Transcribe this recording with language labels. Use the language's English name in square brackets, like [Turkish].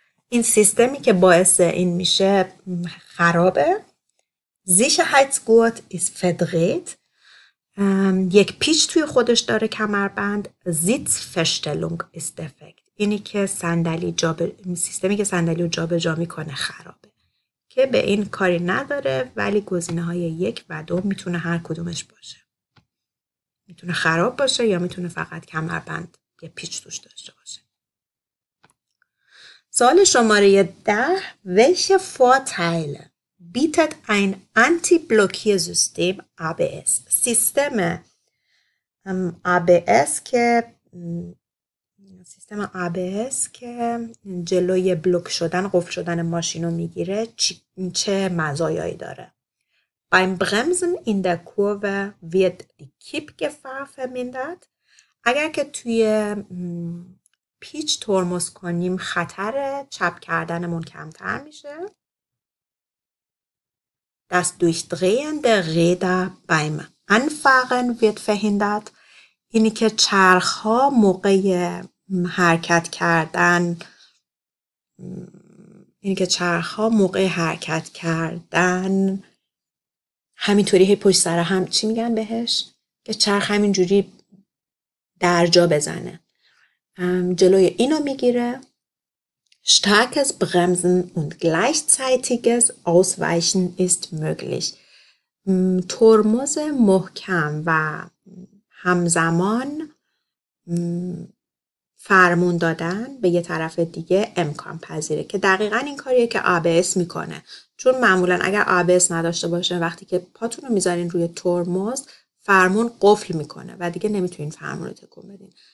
[Persian] این سیستمی که باعث این میشه خرابه. [German] Sicherheitsgurt ist verdreht. [Persian] یک پیچ توی خودش داره کمربند. [German] Sitzverstellung ist defekt. [Persian] اینی که صندلی جا به سیستمی که صندلی رو جابجا میکنه خرابه. که به این کاری نداره ولی گزینه های یک و دو میتونه هر کدومش باشه. میتونه خراب باشه یا میتونه فقط کمربند یه پیچ توش داشته باشه. سوال شماره 10، [German] welche Vorteile bietet ein Anti-Blockiersystem ABS. [Persian] سیستم ABS که سیستم ABS که جلوی بلوک شدن قفل شدن ماشین رو میگیره چه مزایایی داره؟ [German] Beim Bremsen in der Kurve wird die Kippgefahr vermindert. [Persian] اگر که توی پیچ ترمز کنیم خطر چپ کردنمون کمتر میشه. [German] Das Durchdrehen der Räder beim Anfahren wird verhindert. [Persian] اینی که چرخ ها موقع حرکت کردن همینطوری هی پشت سر هم چی میگن بهش؟ که چرخ همینجوری در جا بزنه. جلوی اینو میگیره. [German] Starkes Bremsen und gleichzeitiges Ausweichen ist möglich. [Persian] ترمز محکم و همزمان فرمون دادن به یه طرف دیگه امکان پذیره که دقیقا این کاریه که ABS میکنه. چون معمولا اگر ABS نداشته باشه وقتی که پاتون رو میذارین روی ترمز فرمون قفل میکنه و دیگه نمیتونین فرمون رو تکون بدین.